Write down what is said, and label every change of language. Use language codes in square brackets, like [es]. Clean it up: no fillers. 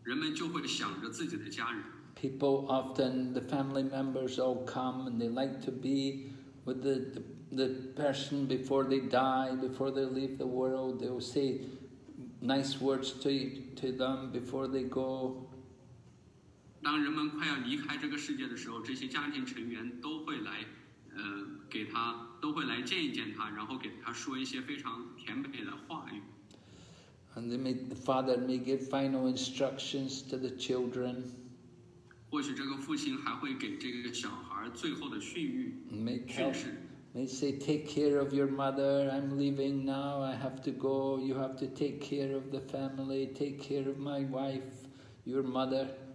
[zh] 但是我认为他想的是，他在临死之前，他想看一看自己的这个家人，他想看看这个小儿子，因为通常在人们离开躯体的时候，人们就会想着自己的家人。 [en] People often, the family members all come and they like to be with the person before they die, before they leave the world, they will say nice words to them before they go. [zh] 当人们快要离开这个世界的时候，这些家庭成员都会来，给他，都会来见一见他，然后给他说一些非常甜美的话语。 [en] And they may, the father may give final instructions to the children. [zh] 或许这个父亲还会给这个小孩最后的训谕, [en] may say, take care of your mother, I'm leaving now, I have to go, you have to take care of the family, take care of my wife, your mother.